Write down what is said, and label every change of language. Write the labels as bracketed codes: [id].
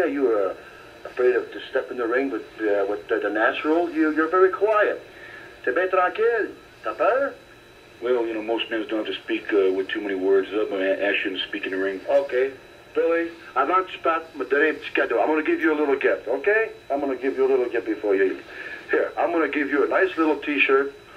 [en] Are you afraid of to step in the ring with the natural? You're very quiet. [fr] T'es bien tranquille. T'as peur? [en] Well, you know, most men don't have to speak with too many words. I shouldn't speak in the ring. Okay. [fr] Billy, avant que tu partes, me donner un petit cadeau. [en] I'm going to give you a little gift, okay? I'm going to give you a little gift before you eat. Here, I'm going to give you a nice little T-shirt.